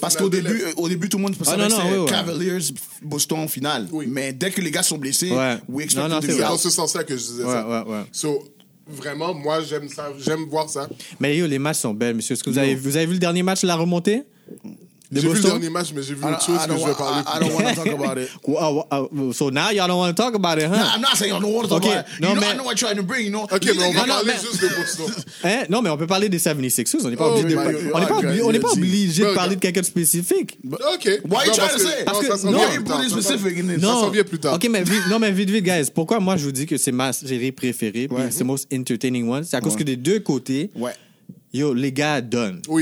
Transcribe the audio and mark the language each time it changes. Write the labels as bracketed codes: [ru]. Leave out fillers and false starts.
[fr] Parce qu'au début, tout le monde pensait que c'était Cavaliers, Boston en finale. Oui. Mais dès que les gars sont blessés, ouais. [en] We expect to be out. [fr] C'est dans ce sens-là que je disais ça. [en] So, [fr] vraiment, moi, j'aime ça, j'aime voir ça. Mais yo, les matchs sont belles, monsieur. Est-ce que vous avez vu le dernier match, la remontée? J'ai vu le dernier match, mais j'ai vu autre chose que je vais parler. [en] I don't want to talk about it. So now y'all don't want to talk about it, huh? Nah, I'm not saying I don't want to talk about it. You know, I know what you're trying to bring, you know? [fr] Okay, mais on va parler juste de Boston. Hein? Non, mais on peut parler des 76ers. On n'est pas obligé de parler de quelqu'un de spécifique. Okay. [en] Why are you trying to say? [fr] Parce que... Non, ça s'en vient plus tard. Non, ça s'en vient plus tard. Okay, mais vite, vite, guys. Pourquoi moi, je vous dis que c'est ma série préférée, puis c'est [en] the most entertaining one? [fr] C'est à cause que des deux côtés, yo, les gars donnent.